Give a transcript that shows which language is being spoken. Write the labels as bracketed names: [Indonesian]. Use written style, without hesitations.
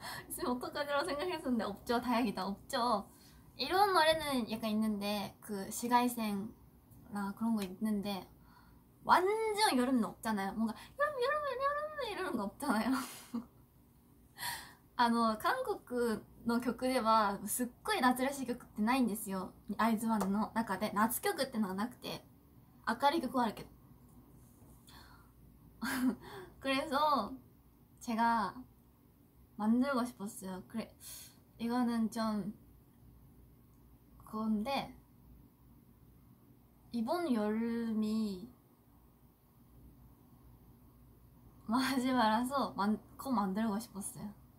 [Korean] 있으면 어떡하지라고 생각했었는데, 없죠. 다행이다. 없죠. 이런 노래는 약간 있는데, 그, 시가이센, 나 그런 거 있는데, 완전 여름은 없잖아요. 뭔가, 여름, 이런 거 없잖아요. [Japanese] 韓国の曲ではすっごい夏らしい曲ってないんですよ、アイズワンの中で。夏曲ってのはなくて明るい曲はあるけど。 [Korean] 그래서 제가 만들고 싶었어요. 그래, 이거는 좀 그런데 이번 여름이 마지막이라서 곧 만들고 싶었어요.